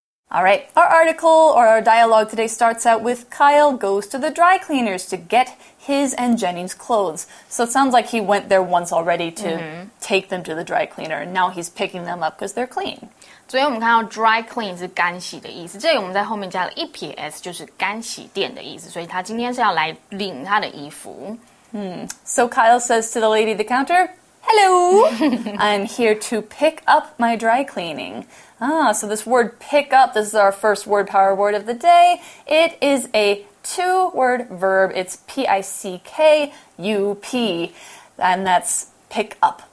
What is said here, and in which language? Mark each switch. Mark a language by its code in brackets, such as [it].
[en] All right, our article or our dialogue today starts out with Kyle goes to the dry cleaners to get his and Jenny's clothes. So it sounds like he went there once already to take them to the dry cleaner, and now he's picking them up because they're clean. [zh] 所以我们看到 dry clean 是干洗的意思，这里我们在后面加了一撇 s， 就是干洗店的意思。所以他今天是要来领他的衣服。 [en] So Kyle says to the lady at the counter, Hello, I'm here to pick up my dry cleaning. Ah, so this word pick up, this is our first word power word of the day. It is a two-word verb. It's P-I-C-K-U-P, and that's pick up.